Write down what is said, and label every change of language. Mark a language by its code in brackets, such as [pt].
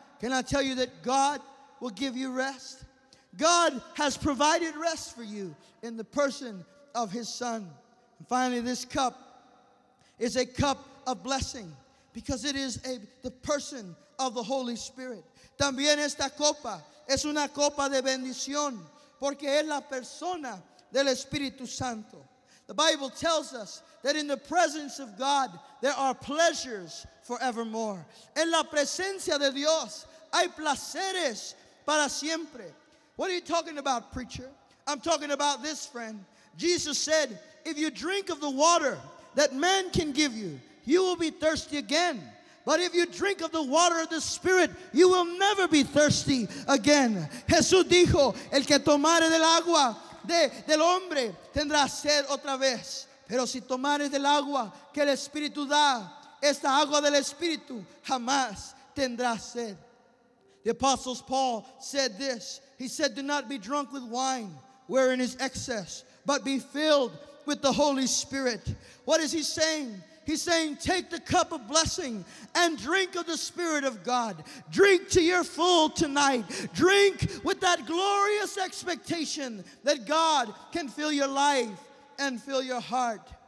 [en] Can I tell you that God will give you rest? God has provided rest for you in the person of His Son. And finally, this cup is a cup of blessing because it is the person of the Holy Spirit. [es] También esta copa es una copa de bendición porque es la persona del Espíritu Santo. [en] The Bible tells us that in the presence of God, there are pleasures forevermore. [es] En la presencia de Dios, hay placeres para siempre. [en] What are you talking about, preacher? I'm talking about this, friend. Jesus said, if you drink of the water that man can give you, you will be thirsty again. But if you drink of the water of the Spirit, you will never be thirsty again. [es] Jesús dijo, el que tomare del agua del hombre tendrá sed otra vez. Pero si tomares del agua que el Espíritu da, esta agua del Espíritu jamás tendrá sed. [en] The Apostle Paul said this. He said, do not be drunk with wine, wherein is excess, but be filled with the Holy Spirit. What is he saying? He's saying, take the cup of blessing and drink of the Spirit of God. Drink to your full tonight. Drink with that glorious expectation that God can fill your life and fill your heart.